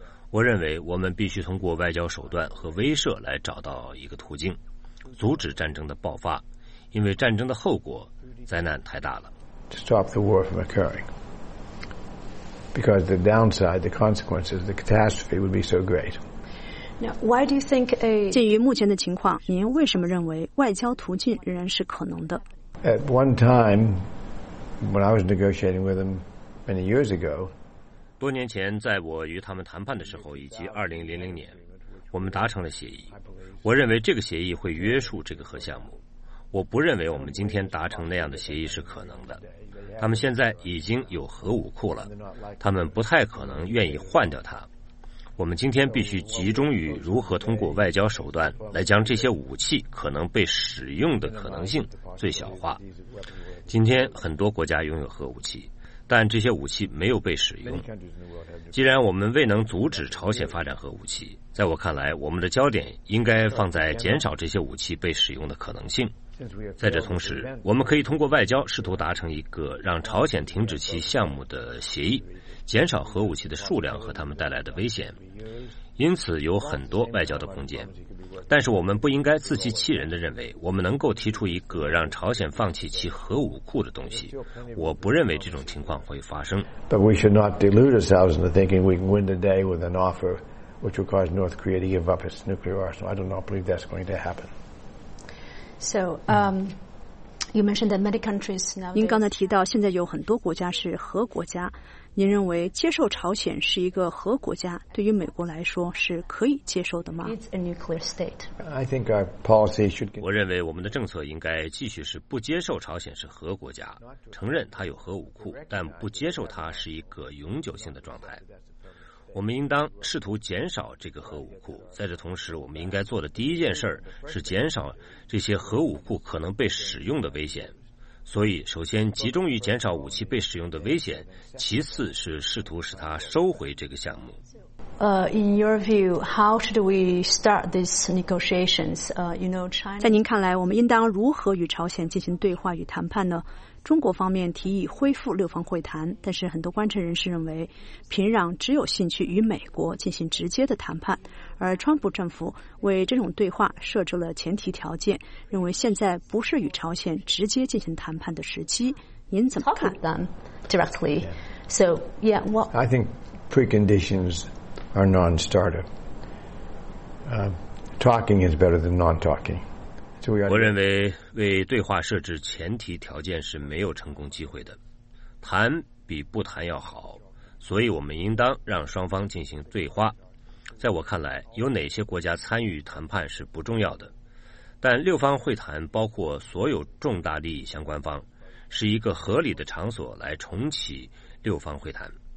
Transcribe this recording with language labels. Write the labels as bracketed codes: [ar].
[zh] 我认为我们必须通过外交手段和威慑来找到一个途径，阻止战争的爆发，因为战争的后果灾难太大了。 [en] To stop the war from occurring, because the downside, the consequences, the catastrophe would be so great. Now, why do you think a [zh] 鉴于目前的情况，您为什么认为外交途径仍然是可能的 [en] ？At one time, when I was negotiating with them many years ago. [zh] 多年前，在我与他们谈判的时候，以及2000年，我们达成了协议。我认为这个协议会约束这个核项目。我不认为我们今天达成那样的协议是可能的。他们现在已经有核武库了，他们不太可能愿意换掉它。我们今天必须集中于如何通过外交手段来将这些武器可能被使用的可能性最小化。今天很多国家拥有核武器。但这些武器没有被使用。既然我们未能阻止朝鲜发展核武器，在我看来，我们的焦点应该放在减少这些武器被使用的可能性。在这同时，我们可以通过外交试图达成一个让朝鲜停止其项目的协议，减少核武器的数量和它们带来的危险。因此有很多外交的空间，但是我们不应该自欺欺人地认为我们能够提出一个让朝鲜放弃其核武库的东西。我不认为这种情况会发生。 [en] But we should not delude ourselves into thinking we can win today with an offer which will cause North Korea to give up its nuclear arsenal. I do not believe that's going to happen. So, You mentioned that many countries now. [zh] 您刚才提到现在有很多国家是核国家，您认为接受朝鲜是一个核国家，对于美国来说是可以接受的吗 [en] ？It's a nuclear state. I think our policy should. [zh] 我认为我们的政策应该继续是不接受朝鲜是核国家，承认它有核武库，但不接受它是一个永久性的状态。我们应当试图减少这个核武库，在这同时我们应该做的第一件事是减少这些核武库可能被使用的危险，所以首先集中于减少武器被使用的危险，其次是试图使它收回这个项目。 [en] In your view, how should we start these negotiations? You know, China. [zh] 在您看来，我们应当如何与朝鲜进行对话与谈判呢？中国方面提议恢复六方会谈，但是很多观察人士认为，平壤只有兴趣与美国进行直接的谈判，而川普政府为这种对话设置了前提条件，认为现在不是与朝鲜直接进行谈判的时机。您怎么看 [en] ？Talk directly. So, yeah, what? I think preconditions. Are non-starter. Talking is better than non-talking. So we are. [zh] 我认为为对话设置前提条件是没有成功机会的，谈比不谈要好，所以我们应当让双方进行对话。在我看来，有哪些国家参与谈判是不重要的，但六方会谈包括所有重大利益相关方，是一个合理的场所来重启六方会谈。